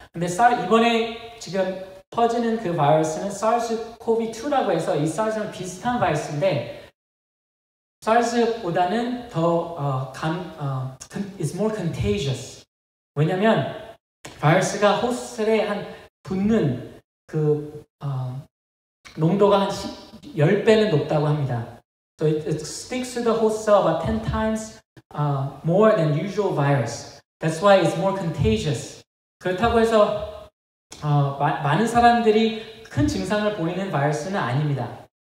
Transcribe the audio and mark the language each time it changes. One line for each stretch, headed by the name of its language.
Korean: 근데 이번에 지금 퍼지는 그 바이러스는 SARS-CoV-2라고 해서 이 SARS랑 비슷한 바이러스인데 SARS보다는 더
English: is more contagious.
Korean: 왜냐면 바이러스가 호스트에 한 붙는 그 농도가 한 10배는 높다고 합니다.
English: So it sticks to the host cell about 10 times more than usual virus. That's why it's more contagious.
Korean: 그렇다고 해서 많은 사람들이 큰 증상을 보이는 바이러스는 아닙니다.